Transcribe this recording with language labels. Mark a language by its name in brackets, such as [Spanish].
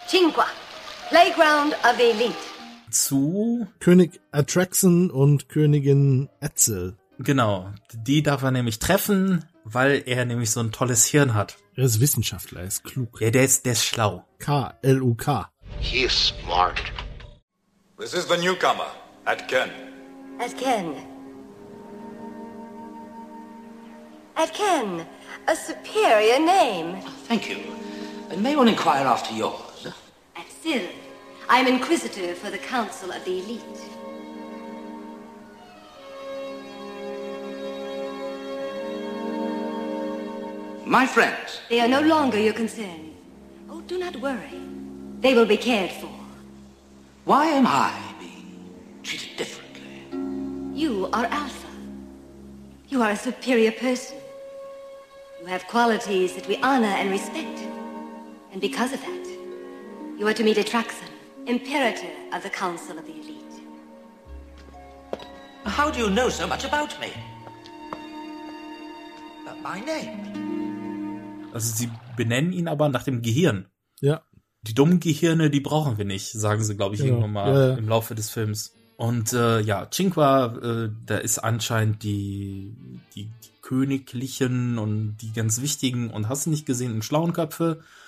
[English] Chinqua, Playground of Elite, [German] zu König Atraxen und Königin Etzel. Genau, die darf er nämlich treffen, weil er nämlich so ein tolles Hirn hat. Er ist Wissenschaftler, er ist klug. Ja, der ist schlau. K-L-U-K. [English] He is smart. This is the newcomer, Atkin. Atkin. Atkin, a superior name. Thank you. And may one inquire after yours? Atzil, I'm inquisitor for the Council of the Elite. My friends. They are no longer your concern. Oh, do not worry. They will be cared for. Why am I being treated differently? You are Alpha. You are a superior person. You have qualities that we honor and respect. And because of that, you are to meet Atraxen, Imperator of the Council of the Elite. How do you know so much about me? But my name... [German] Also sie benennen ihn aber nach dem Gehirn. Ja. Die dummen Gehirne, die brauchen wir nicht, sagen sie, glaube ich, irgendwann mal im Laufe des Films. Und Chinqua, da ist anscheinend die Königlichen und die ganz Wichtigen und hast du nicht gesehen, und schlauen Köpfe.